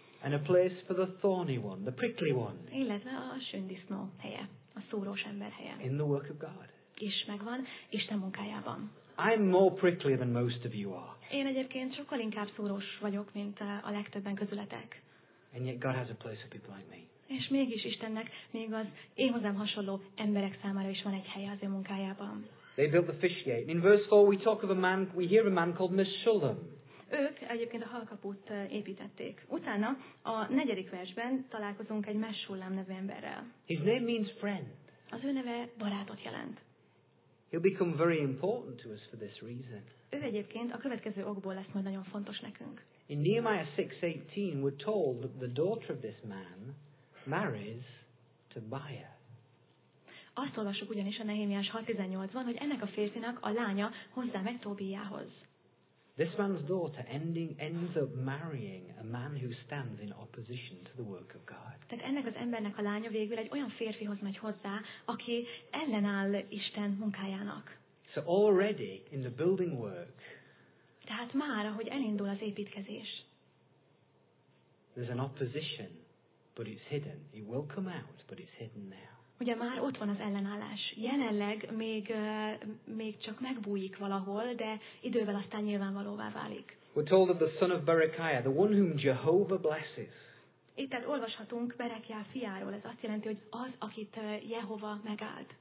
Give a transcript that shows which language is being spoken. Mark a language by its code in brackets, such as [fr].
[en] And a place for the thorny one, the prickly one. [hu] Illetve a sündisznó helye, a szórós ember helye. [en] In the work of God. [hu] És megvan Isten munkájában. [en] I'm more prickly than most of you are. [hu] Én egyébként sokkal inkább szórós vagyok, mint a legtöbben közületek. [en] And yet God has a place for people like me. [hu] És mégis Istennek még az én hozzám hasonló emberek számára is van egy helye az ő munkájában. [en] They built the fish gate. In verse 4 we talk of a man, we hear a man called Meshullam. [hu] Ők egyébként a halkaput építették. Utána a negyedik versben találkozunk egy Meshullam nevű emberrel. [en] His name means friend. [hu] Az ő neve barátot jelent. [en] He'll become very important to us for this reason. [hu] Ő egyébként a következő okból lesz majd nagyon fontos nekünk. [en] In Nehemiah 6:18 we're told that the daughter of this man marries Tobiah. [hu] Azt olvassuk ugyanis a Nehémiás 6:18-ban, hogy ennek a férfinak a lánya hozzámegy Tóbiához. [en] This man's daughter ends up marrying a man who stands in opposition to the work of God. [hu] Tehát ennek az embernek a lánya végül egy olyan férfihoz megy hozzá, aki ellenáll Isten munkájának. [en] So already in the building work. [hu] Tehát már, ahogy elindul az építkezés. [en] There's an opposition, but it's hidden. It will come out, but it's hidden now. [hu] Ugye már ott van az ellenállás. Jelenleg még csak megbújik valahol, de idővel aztán nyilvánvalóvá válik. [en] We're told of the son of Berechiah, the one whom Jehovah blesses. [hu] Itt tehát olvashatunk Berechiah fiáról. Ez azt jelenti, hogy az, akit Jehova megáld.